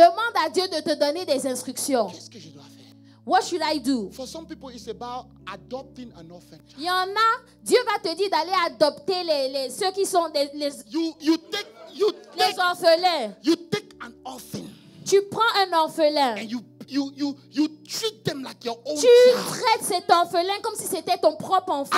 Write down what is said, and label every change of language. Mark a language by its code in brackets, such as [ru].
[fr] Demande à Dieu de te donner des instructions. Qu'est-ce que je dois faire? [en] What should I do? For some people, it's about adopting an orphan child. [fr] Il y en a, Dieu va te dire d'aller adopter ceux qui sont les orphelins. [en] You take an orphan. [fr] Tu prends un orphelin. [en] And you treat them like your own [fr] tu [en] child. [fr] Traites cet orphelin comme si c'était ton propre enfant.